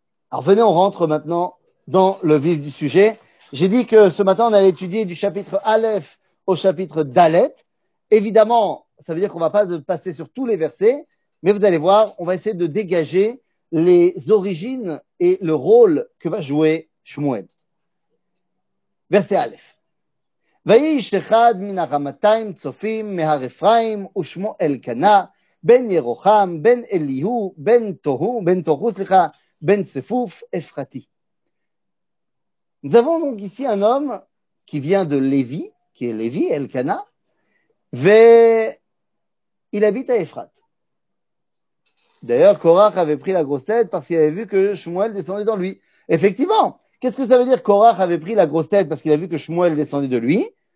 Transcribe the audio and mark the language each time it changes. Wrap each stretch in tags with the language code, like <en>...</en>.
<fr>Alors venez, on rentre maintenant dans le vif du sujet. J'ai dit que ce matin, on allait étudier du chapitre Aleph au chapitre Dalet. Évidemment, ça veut dire qu'on ne va pas passer sur tous les versets, mais vous allez voir, on va essayer de dégager les origines et le rôle que va jouer Shmuel. Verset Aleph.</fr> <he>ואיש אחד מן הרמתיים צופים מהרפיים ושמו אלקנה, בן ירוחם, בן אליהו, בן תוהו, בן תוהו, סליחה, בן צפוף, אפרתי.</he> <fr>Nous avons donc ici un homme qui vient de Lévi, qui est Lévi, Elkana, Il habite à Ephrat. D'ailleurs, Korach avait pris la grosse tête parce qu'il avait vu que Shmuel descendait dans lui. Effectivement, qu'est-ce que ça veut dire Korach avait pris la grosse tête parce qu'il a vu que Shmuel descendait de lui?</fr>